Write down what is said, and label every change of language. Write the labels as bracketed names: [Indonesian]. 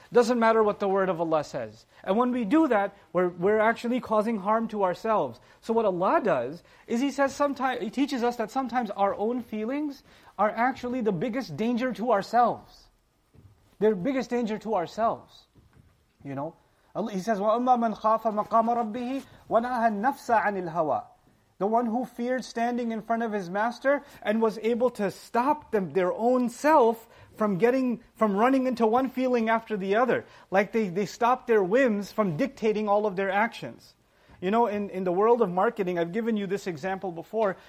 [English] Doesn't matter what the word of Allah says. And when we do that, we're actually causing harm to ourselves. So what Allah does is He says sometimes He teaches us that sometimes our own feelings are actually the biggest danger to ourselves. They're the biggest danger to ourselves. You know? Allah, He says, [Arabic] وَأَمَّا مَنْ خَافَ مَقَامَ رَبِّهِ وَنَهَى النَّفْسَ عَنِ الْهَوَىٰ. [English] The one who feared standing in front of his master and was able to stop them, their own self from running into one feeling after the other. Like they stopped their whims from dictating all of their actions. You know, in the world of marketing, I've given you this example before.